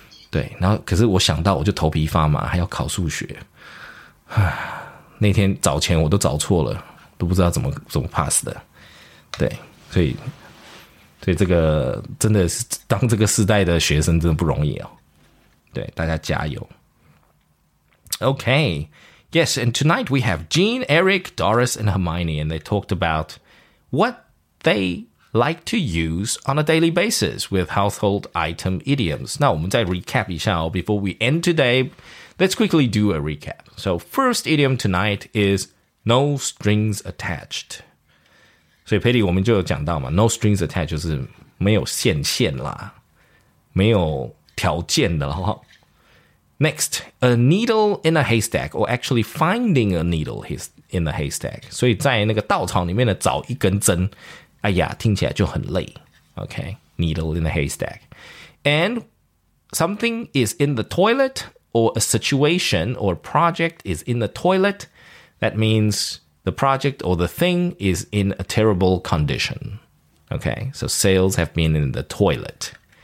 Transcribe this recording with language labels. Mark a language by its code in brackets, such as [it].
[zh] 对，然后可是我想到我就头皮发麻，还要考数学。那天早前我都找错了，都不知道怎么 pass 的。对，所以这个真的是当这个世代的学生真的不容易哦。对，大家加油。Okay. [en] Yes, and tonight we have Jean, Eric, Doris, and Hermione, and they talked about what? They like to use on a daily basis with household item idioms. [zh] 那我们再 recap 一下哦。 [en] Before we end today, let's quickly do a recap. So first idiom tonight is no strings attached. [zh] 所以 Patty 我们就有讲到嘛 ， [en] no strings attached [zh] 就是没有限限啦，没有条件的了哈。 [en] Next, a needle in a haystack, or actually finding a needle in a haystack. [zh] 所以在那个稻草里面呢找一根针。哎呀，听起来就很累。 [en] Okay, needle in a haystack. And something is in the toilet, or a situation or project is in the toilet. That means the project or the thing is in a terrible condition. Okay, so sales have been in the toilet.